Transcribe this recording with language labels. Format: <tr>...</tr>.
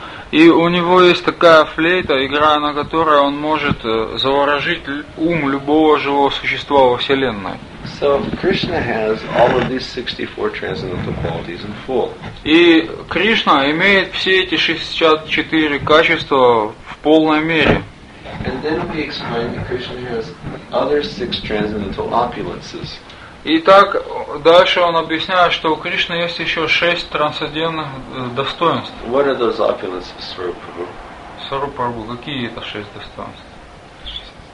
<ru>И у него есть такая флейта, играя на которой он может заворожить ум любого живого существа во Вселенной.</ru> <en>So Krishna has all of these 64 transcendental qualities in full.</en> <ru>И Кришна имеет все эти 64 качества в полной мере.</ru> <en>And then we explain that Krishna has other 6 transcendental opulences.</en> <ru>И так дальше он объясняет, что у Кришны есть еще 6 трансцендентных достоинств.</ru> <en>What are those opulences, Swarupa Prabhu?</en> <ru>Swarupa Prabhu, какие это 6 достоинств?</ru>